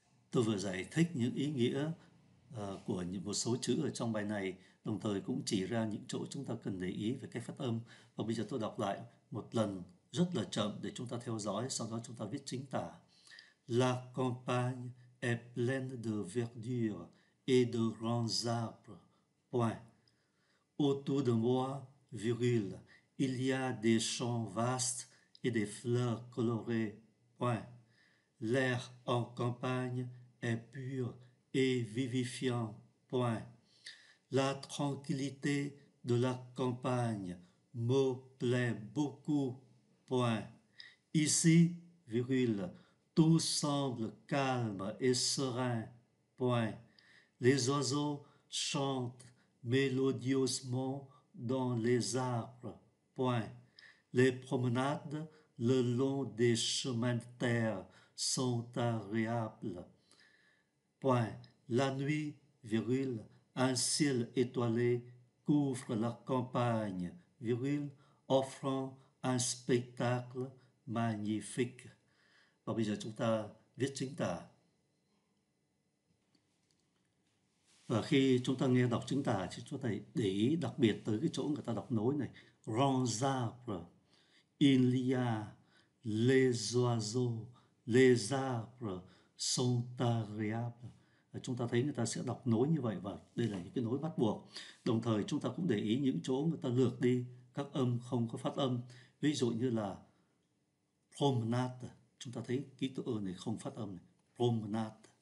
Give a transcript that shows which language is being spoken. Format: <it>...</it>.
<vi>Tôi vừa giải thích những ý nghĩa của một số chữ ở trong bài này, đồng thời cũng chỉ ra những chỗ chúng ta cần để ý về cách phát âm. Và bây giờ tôi đọc lại một lần rất là chậm để chúng ta theo dõi, sau đó chúng ta viết chính tả.</vi> <fr>La campagne est pleine de verdure et de grands arbres. Point. Autour de moi, virgule, il y a des champs vastes et des fleurs colorées. Point. L'air en campagne est pur et vivifiant. Point. La tranquillité de la campagne me plaît beaucoup. Point. Ici, virgule, tout semble calme et serein. Point. Les oiseaux chantent mélodieusement dans les arbres. Point. Les promenades le long des chemins de terre sont agréables. Point. La nuit, virgule, un ciel étoilé couvre la campagne, virgule, offrant un spectacle magnifique.</fr> <vi>Và bây giờ chúng ta viết chính tả. Và khi chúng ta nghe đọc chính tả thì chúng ta để ý đặc biệt tới cái chỗ người ta đọc nối này.</vi> <fr>Grands arbres, il y a les oiseaux, les arbres sont agréables.</fr> <vi>Chúng ta thấy người ta sẽ đọc nối như vậy và đây là những cái nối bắt buộc. Đồng thời chúng ta cũng để ý những chỗ người ta lược đi các âm không có phát âm. Ví dụ như là promenade, chúng ta thấy ký tự ơ này không phát âm này, promenade.</vi>